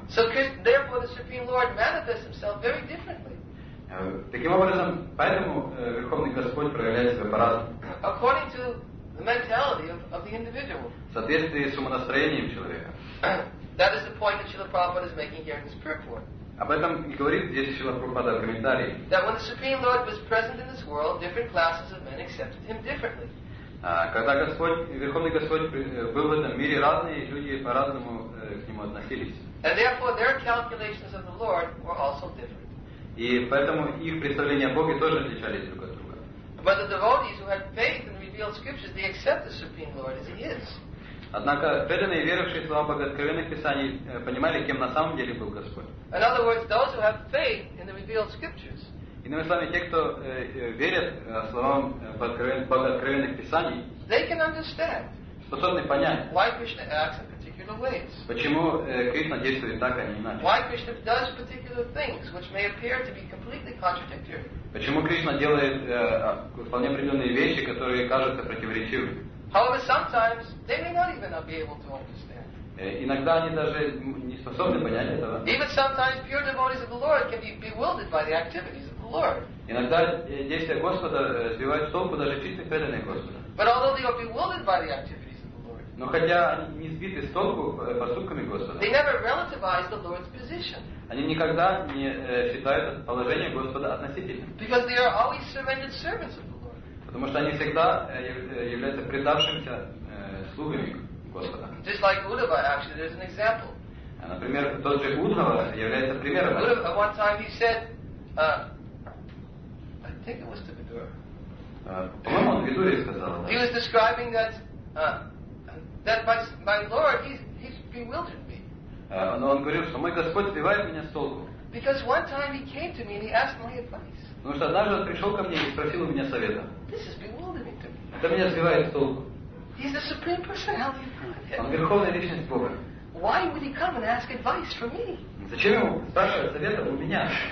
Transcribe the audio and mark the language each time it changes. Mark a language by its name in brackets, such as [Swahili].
[English] So therefore, the Supreme Lord manifests himself very differently. [Russian] Таким образом, поэтому Верховный Господь проявляет себя по-разному. [English] According to the mentality of the individual. [Russian] В соответствии с умонастроением человека. [English] That is the point that Srila Prabhupada is making here in this purport. [Russian] Об этом и говорит здесь Шрила Прабхупада в комментарии. [English] That when the Supreme Lord was present in this world, different classes of men accepted him differently. [Russian] Когда Верховный Господь был в этом мире, разные люди по-разному к нему относились. [English] And therefore their calculations of the Lord were also different. [Russian] И поэтому их представления о Боге тоже отличались друг от друга. [English] But the devotees who had faith in revealed scriptures, they accept the Supreme Lord as he is. [Russian] Однако преданные, верившие в слова Богооткровенных Писаний, понимали, кем на самом деле был Господь. [English] In other words, those who have faith in the revealed scriptures. [Russian] Иными словами, те, кто верят словам Богооткровенных Писаний, [English] they can understand. [Russian] Способны понять. [English] Why Krishna acts in particular ways? [Russian] Почему Кришна действует так, а не иначе? [English] Why Krishna does particular things, which may appear to be completely contradictory? [Russian] Почему Кришна делает вполне определенные вещи, которые кажутся противоречивыми? [English] However, sometimes they may not even be able to understand. [Russian] Иногда они даже не способны понять этого. [English] Even sometimes pure devotees of the Lord can be bewildered by the activities of the Lord. [Russian] Иногда действия Господа сбивают с толку даже чистые преданные Господа. [English] But although they are bewildered by the activities of the Lord. [Russian] Но хотя они не сбиты с толку поступками Господа. [English] They never relativize the Lord's position. [Russian] Они никогда не считают положение Господа относительным. [English] Because they are always surrendered servants of the Lord. [Russian] Потому что они всегда являются предавшимся слугами Господа. [English] Just like Uddhava, actually, there's an example. [Russian] Например, тот же Уддхава является примером. [English] At one time he said, I think it was to Vidura. [Russian] По-моему, он Видуре сказал. [English] He was describing that my Lord, he's bewildered me. [Russian] Но он говорил, что мой Господь сбивает меня с толку. [English] Because one time he came to me and he asked my advice. [Russian] Потому что однажды он пришел ко мне и спросил у меня совета. [English] This is bewildering to me. [Russian] Это меня сбивает с толку. [English] He's the supreme personality of Godhead. [Russian] Он верховная личность Бога. [English] Why would he come and ask advice for me? [Russian] Зачем ему спрашивать совета у меня?